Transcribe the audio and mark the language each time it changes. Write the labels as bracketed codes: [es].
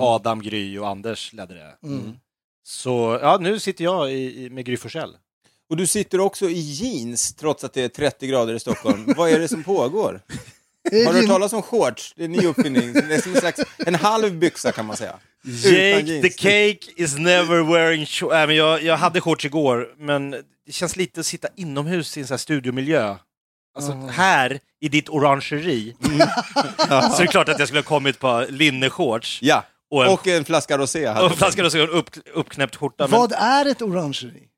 [sv] Adam, Gry och Anders ledde det. Mm. Så ja, nu sitter jag med Gry Forssell. Och du sitter också i jeans trots att det är 30 grader i Stockholm. Vad är det som pågår? Har du hört talas om shorts? Det är en ny uppfinning. Det är som en slags, en halv byxa kan man säga. [en] Jake the Cake is never wearing shorts. [sv] Nej, men jag hade shorts igår. Men det känns lite att sitta inomhus i en sån här studiomiljö. Alltså här i ditt orangeri. Så det är klart att jag skulle ha kommit på linneshorts. Ja, och en flaska rosé. Och en flaska rosé och en uppknäppt skjorta. Vad är ett orangeri?